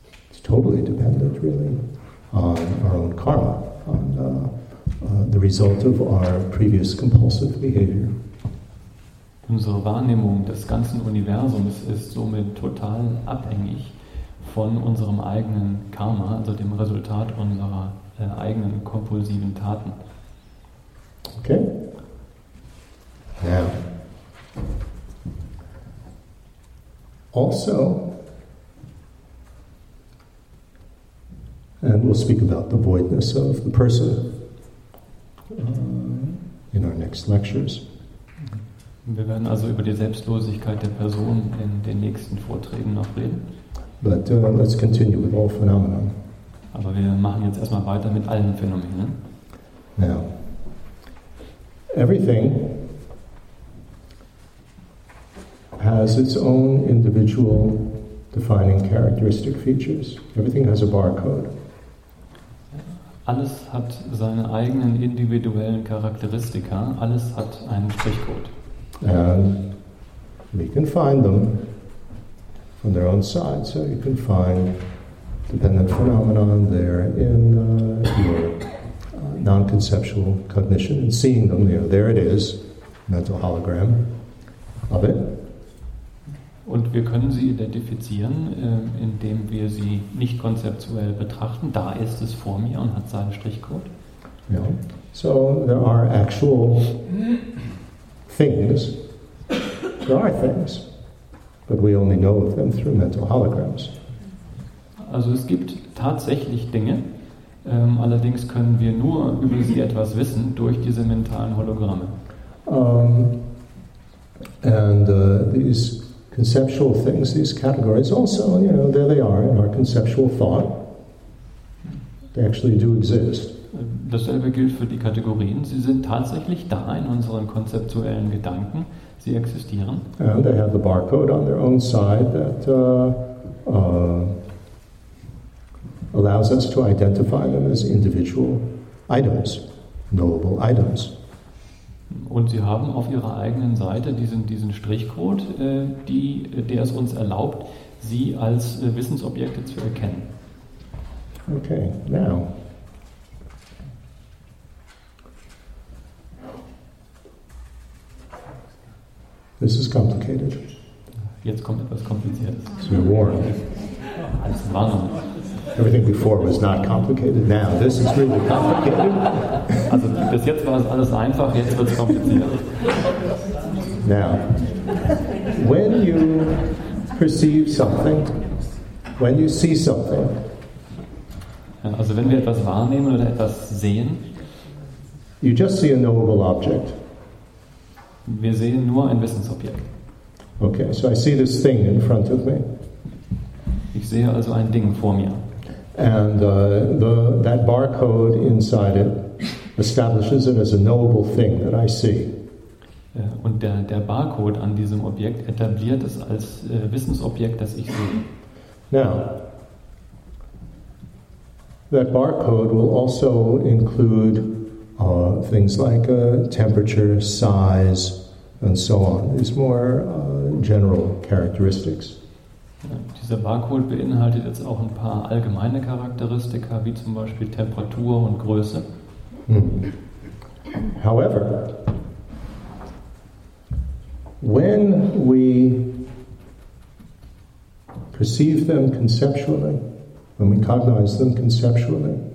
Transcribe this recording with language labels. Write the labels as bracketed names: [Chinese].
[English] It's totally dependent, really, on our own karma, on the result of our previous compulsive behavior. [German] Unsere Wahrnehmung des ganzen Universums ist somit total abhängig von unserem eigenen Karma, also dem Resultat unserer eigenen kompulsiven Taten. [English] Okay. Now. Also, and we'll speak about the voidness of the person in our next lectures. [German] Wir werden also über die Selbstlosigkeit der Person in den nächsten Vorträgen noch reden. [English] But let's continue with all phenomena. [German] Aber wir machen jetzt erstmal weiter mit allen Phänomenen. [English] Now, everything has its own individual defining characteristic features. Everything has a barcode. [German] Alles hat seine eigenen individuellen Charakteristika. Alles hat einen Strichcode. [English] And we can find them from their own side, so you can find dependent phenomenon there in your non-conceptual cognition and seeing them, there it is, mental hologram of it. [German] Und wir können sie identifizieren, indem wir sie nicht konzeptuell betrachten. Da ist es vor mir und hat seinen Strichcode. [English] Yeah. So there are actual things. There are things. But we only know of them through mental holograms. [German] Also es gibt tatsächlich Dinge, allerdings können wir nur über sie etwas wissen durch diese mentalen Hologramme. [English] These conceptual things, these categories also, there they are in our conceptual thought. They actually do exist. [German] Dasselbe gilt für die Kategorien. Sie sind tatsächlich da in unseren konzeptuellen Gedanken. Sie existieren. [English] And they have the barcode on their own side that allows us to identify them as individual items, knowable items. [German] Und sie haben auf ihrer eigenen Seite diesen Strichcode, der es uns erlaubt, sie als Wissensobjekte zu erkennen. [English] Okay, now. This is complicated. [German] Jetzt kommt etwas Kompliziertes. [English] So you're warned. [German] Als Warnung. [English] Everything before was not complicated. Now this is really complicated. [German] Also bis jetzt war es alles einfach, jetzt wird es kompliziert. [English] Now, when you perceive something, when you see something. [German] Also wenn wir etwas wahrnehmen oder etwas sehen. [English] You just see a knowable object. [German] Wir sehen nur ein Wissensobjekt. [English] Okay, so I see this thing in front of me. [German] Ich sehe also ein Ding vor mir. [English] And that barcode inside it establishes it as a knowable thing that I see. [German] Und der Barcode an diesem Objekt etabliert es als Wissensobjekt, das ich sehe. [English] Now, that barcode will also include things like temperature, size, and so on. These more general characteristics. [German] Dieser Barcode beinhaltet jetzt auch ein paar allgemeine Charakteristika, wie zum Beispiel Temperatur und Größe. [English] However, when we perceive them conceptually, when we cognize them conceptually,